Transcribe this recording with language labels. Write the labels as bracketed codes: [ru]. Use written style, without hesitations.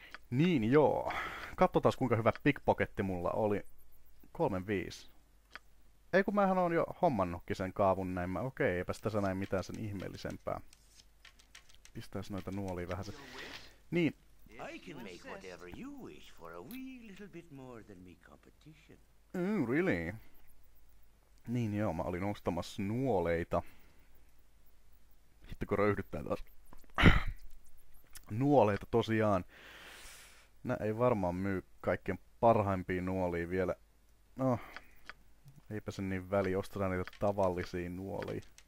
[fi] Niin joo, katsotaas kuinka hyvä pickpocketti mulla oli. 3-5. Ei kun mähän oon jo hommannutkin sen kaavun näin, okei, eipä sitä näin mitään sen ihmeellisempää. Pistäis noita nuolia vähän se. Niin. [en] I can make whatever you wish for a wee little bit more than me competition. Really? [fi] Niin joo, mä olin ostamassa nuoleita. Hitto, kun röyhdyttää taas. Nuoleita tosiaan. Nää ei varmaan myy kaikkien parhaimpia nuolia vielä. No, eipä sen niin väli, ostetaan niitä tavallisia nuolia.